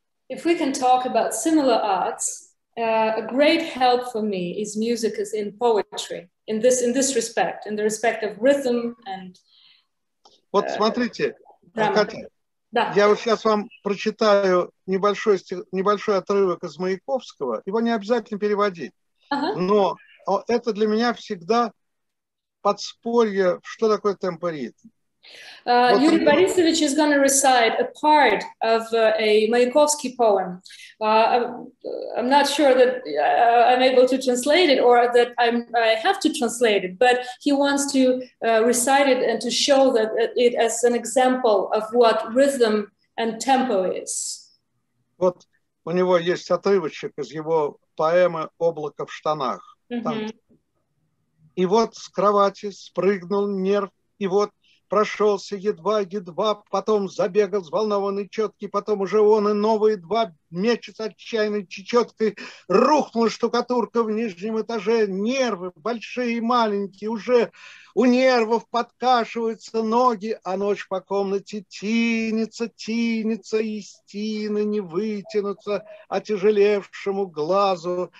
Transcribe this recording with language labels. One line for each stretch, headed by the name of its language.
English: If we can talk about similar arts, a great help for me is music is in poetry, in this respect, in the respect of rhythm and...
Russian: Вот смотрите, Катя. Да. Я вот сейчас вам прочитаю небольшой отрывок из Маяковского. Его не обязательно переводить. Но это для меня всегда подспорье, что такое темпо-ритм.
English: Юрий Борисович is going to recite a part of a Маяковский poem. I'm not sure that I'm able to translate it or that I have to translate it, but he wants to recite it and to show that it as an example of what rhythm and tempo is.
Russian: Вот у него есть отрывочек из его поэмы «Облако в штанах». Mm-hmm. И вот с кровати спрыгнул нерв, и вот прошелся едва-едва, потом забегал взволнованный четкий, потом уже он и новые два мечет отчаянной чечеткой, рухнула штукатурка в нижнем этаже, нервы большие и маленькие, уже у нервов подкашиваются ноги, а ночь по комнате тинется, тинется, и стены не вытянутся отяжелевшему глазу.